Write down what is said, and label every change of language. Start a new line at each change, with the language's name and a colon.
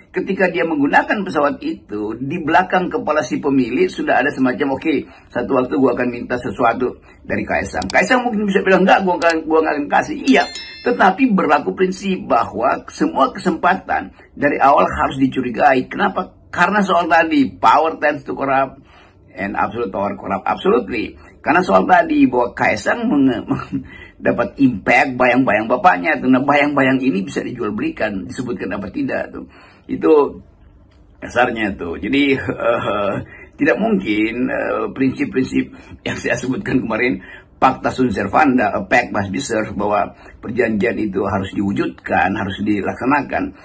Indonesian: ketika dia menggunakan pesawat itu, di belakang kepala si pemilik sudah ada semacam, oke, satu waktu gue akan minta sesuatu dari Kaisang. Kaisang mungkin bisa bilang, enggak, gue gak akan kasih. Iya, tetapi berlaku prinsip bahwa semua kesempatan dari awal harus dicurigai. Kenapa? Karena soal tadi,
English: power tends to corrupt and absolute power corrupt absolutely.
Indonesian: Karena soal tadi, bahwa Kaisang dapat impact bayang-bayang bapaknya. Nah, bayang-bayang ini bisa dijual belikan, disebutkan apa tidak. Itu dasarnya tuh. Jadi, tidak mungkin prinsip-prinsip yang saya sebutkan kemarin, pacta sunt servanda,
English: a pact must be served,
Indonesian: bahwa perjanjian itu harus diwujudkan, harus dilaksanakan.